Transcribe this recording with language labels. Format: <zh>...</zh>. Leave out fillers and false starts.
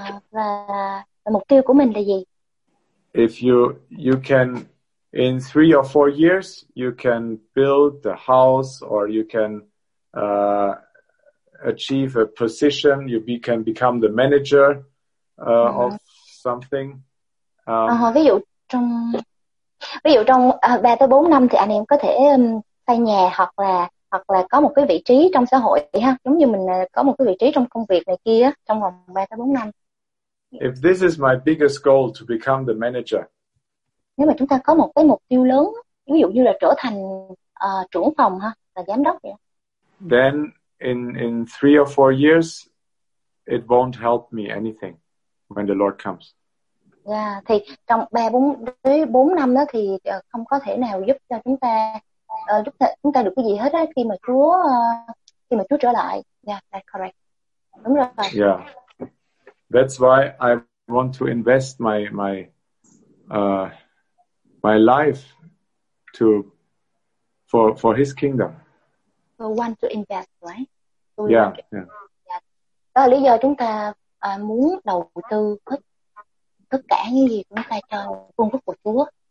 <vi>Và mục tiêu của mình là gì?</vi> <en>If you can. In 3 or 4 years, you can build a house, or you can achieve a position. You can become the manager of something.</en> <vi>Ví dụ trong 3-4 năm thì anh em có thể xây nhà hoặc là có một cái vị trí trong xã hội ha, giống như mình có một cái vị trí trong công việc này kia trong vòng 3-4 năm.</vi> <en>If this is my biggest goal, to become the manager.</en> <vi>Nếu mà chúng ta có một cái mục tiêu lớn, ví dụ như là trở thành trưởng phòng ha, là giám đốc vậy.</vi> <en>Then in 3 or 4 years, it won't help me anything when the Lord comes.</en> <vi>Yeah, thì trong 3-4 năm đó thì không có thể nào giúp cho chúng ta giúp chúng ta được cái gì hết á khi mà Chúa trở lại.</vi> <en>Yeah, that's correct.</en> <vi>Đúng rồi.</vi> <en>Yeah. That's why I want to invest my life for his kingdom. We want to invest, right? Yeah.</en> <vi>Đó là lý do chúng ta muốn đầu tư tất cả những gì chúng ta cho vương quốc của Chúa.</vi>